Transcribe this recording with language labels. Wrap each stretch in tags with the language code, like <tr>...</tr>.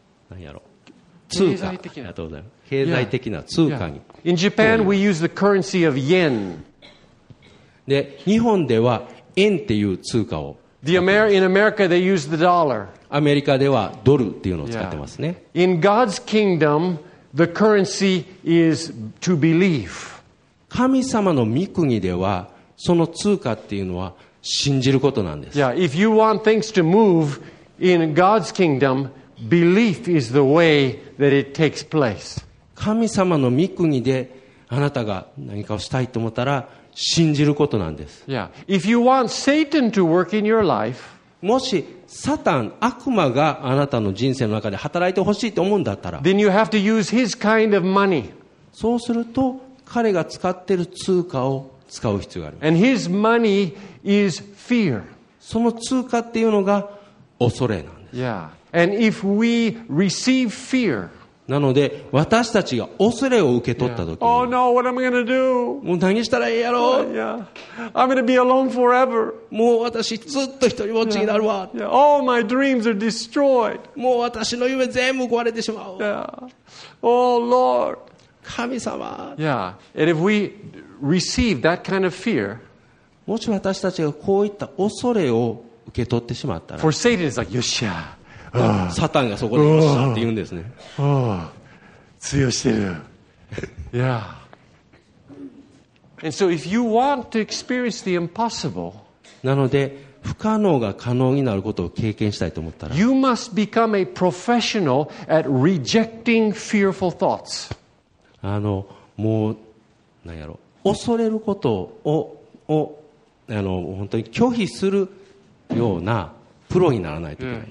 <ja>何やろ、通貨、ありがとうございます、経済的な通貨に、yeah.</ja> <en>In Japan we use the currency of yen.</en> <ja>で日本では円っていう通貨を、</ja> <en>In America they use the dollar.</en> <ja>アメリカではドルっていうのを使ってますね、</ja> <en>yeah. In God's kingdom the currency is to believe.</en> <ja>神様の御国ではその通貨っていうのは信じることなんです。</ja> <en>Yeah, if you want things to move in God's kingdom, belief is the way that it takes place.</en> <ja>神様の御国であなたが何かをしたいと思ったら信じることなんです。</ja> <en>Yeah, if you want Satan to work in your life,</en> <ja>もしサタン、悪魔があなたの人生の中で働いてほしいと思うんだったら、</ja> <en>then you have to use his kind of money.</en> <ja>そうすると彼が使っている通貨を使う必要がある。</ja> <en>And his money is fear.</en> <ja>その通貨っていうのが恐れなんです。</ja> <en>Yeah. And if we receive fear,</en> <ja>なので私たちが恐れを受け取った時に、</ja> <en>yeah. Oh no, what am I gonna do?</en> <ja>もう何したらいいやろう。</ja> <en>Yeah. I'm gonna be alone forever.</en> <ja>もう私ずっと一人ぼっちになるわ。</ja> <en>Yeah. Yeah. All my dreams are destroyed.</en> <ja>もう私の夢全部壊れてしまう。</ja> <en>Yeah. Oh Lord,</en> <ja>神様。</ja> <en>Yeah. And if we receive that kind of fear,</en> <ja>もし私たちがこういった恐れを受け取ってしまったら、</ja> <en>For Satan is like,</en> <ja>よっしゃ、サタンがそこでよっしゃって言うんですね。通用してる。</ja> <en>Yeah. And so if you want to experience the impossible,</en> <ja>なので不可能が可能になることを経験したいと思ったら、</ja> <en>You must become a professional at rejecting fearful thoughts.</en> <ja>もう何やろ、恐れることを本当に拒否するようなプロにならないといけない。</ja>